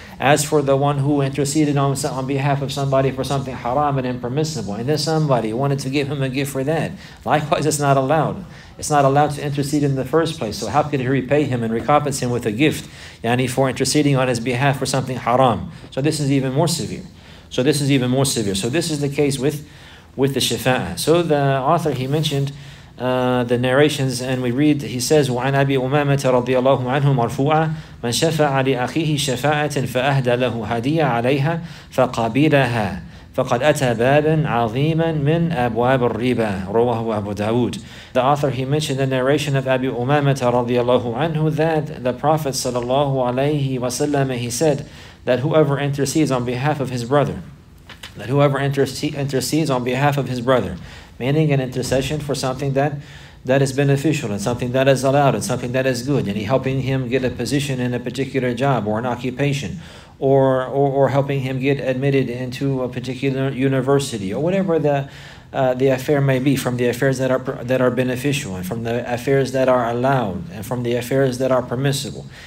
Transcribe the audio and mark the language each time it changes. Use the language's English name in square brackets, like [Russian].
[English] As for the one who interceded on behalf of somebody for something haram and impermissible, and then somebody wanted to give him a gift for that, likewise it's not allowed. It's not allowed to intercede in the first place. So how could he repay him and recompense him with a gift? Yani for interceding on his behalf for something haram. So this is even more severe. So this is even more severe. So this is the case with the shafa'ah. So the author, he mentioned the narrations, and we read, he says, [Arabic] وَعَنْ أَبِي أُمَامَةَ رَضِيَ اللَّهُ عَنْهُ مَرْفُوعًا مَنْ شَفَعَ لِأَخِيهِ شَفَاعَةٍ فَأَهْدَ لَهُ هَدِيَةً عَلَيْهَا فَقَبِيلَهَا فَقَدْ أَتَى بَابًا عَظِيمًا مِنْ أَبْوَابِ الرِّبَى رَوَاهُ أَبُو دَاوُدَ. [English] The author, he mentioned the narration of Abi Umamah radiyallahu anhu, that the Prophet sallallahu alayhi wa sallam, he said that whoever intercedes on behalf of his brother, that whoever intercedes on behalf of his brother, meaning an intercession for something that is beneficial and something that is allowed and something that is good, and he helping him get a position in a particular job or an occupation, or helping him get admitted into a particular university or whatever the affair may be, from the affairs that are beneficial and from the affairs that are allowed and from the affairs that are permissible.